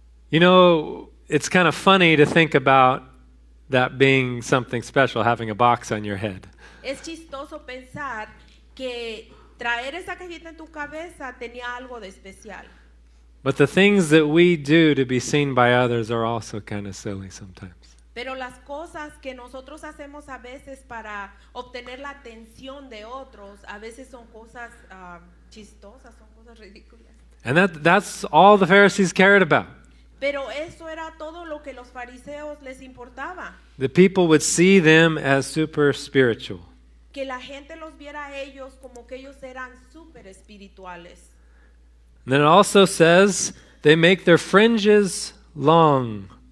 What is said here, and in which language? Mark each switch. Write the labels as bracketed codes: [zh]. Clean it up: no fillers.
[en] You know, it's kind of funny to think about that being something special, having a box on your head. [es] Es chistoso pensar que traer esa cajita en tu cabeza tenía algo de especial. [en] But the things that we do to be seen by others are also kind of silly sometimes. [es] Pero las cosas que nosotros hacemos a veces para obtener la atención de otros a veces son cosas chistosas, son cosas ridículas. [en] And that's all the Pharisees cared about. [es] Pero eso era todo lo que los fariseos les importaba. [en] The people would see them as super spiritual. [es] Que la gente los viera a ellos como que ellos eran super espirituales. [en] And then it also says they make their fringes long.